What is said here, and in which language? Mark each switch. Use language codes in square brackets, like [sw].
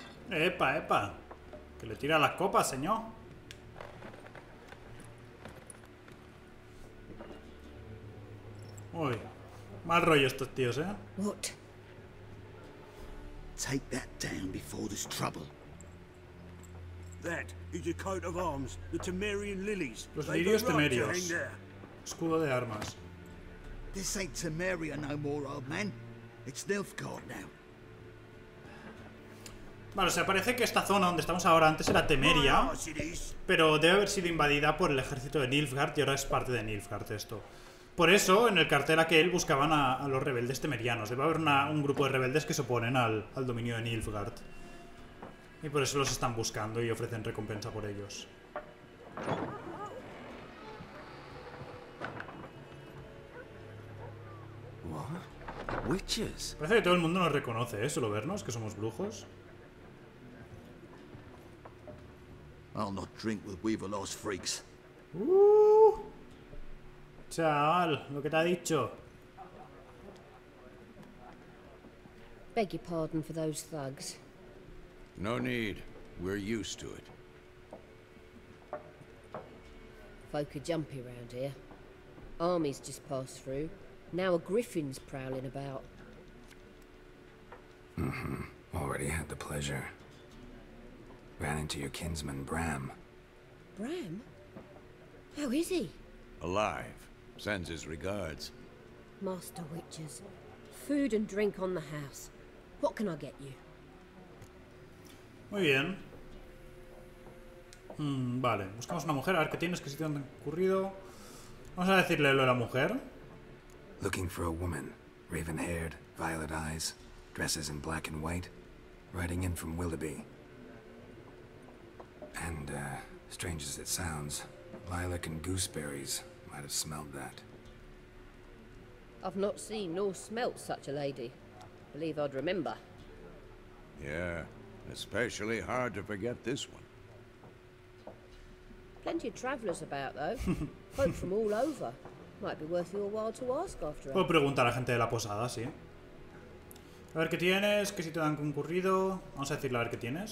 [es] Epa, epa. Que le tira las copas, señor. Uy, mal rollo estos tíos, ¿eh? [en] What? Take that down before there's trouble. That is a coat of arms, the Temerian lilies. [es] Los lirios temerios. Escudo de armas. [en] This ain't Temeria no more, old man. It's Nilfgaard now. [es] Vale, o sea, parece que esta zona donde estamos ahora antes era Temeria, pero debe haber sido invadida por el ejército de Nilfgaard y ahora es parte de Nilfgaard esto. Por eso, en el cartel aquel buscaban a los rebeldes temerianos. Debe haber un grupo de rebeldes que se oponen al dominio de Nilfgaard. Y por eso los están buscando y ofrecen recompensa por ellos. [en] Witches. [es] Parece que todo el mundo nos reconoce, ¿eh? Solo vernos, que somos brujos. [en] I'll not drink with weaver lost freaks. [es] Chaval, lo que te ha dicho. [en] Beg your pardon for those thugs. No need. We're used to it. Folk are jumpy around here. Armies just passed through. Now a griffin's prowling about. Mm-hmm. Already had the pleasure. Ran into your kinsman, Bram. Bram? How is he? Alive. Sends his regards. Master witches. Food and drink on the house. What can I get you? [es] Muy bien. Vale. Buscamos una mujer, a ver qué tienes, qué sitio han ocurrido. Vamos a decirle lo de la mujer. [en] Looking for a woman. Raven-haired, violet eyes, dresses in black and white, riding in from Willoughby. And, strange as it sounds, lilac and gooseberries might have smelled that. I've not seen nor smelt such a lady. Believe I'd remember. Yeah, especially hard to forget this one. Plenty of travellers about, though. Folk from all over. Might be worth your while to ask after. [es] Puedo preguntar a la gente de la posada, sí. A ver qué tienes, qué sitio te han concurrido. Vamos a decirle a ver qué tienes.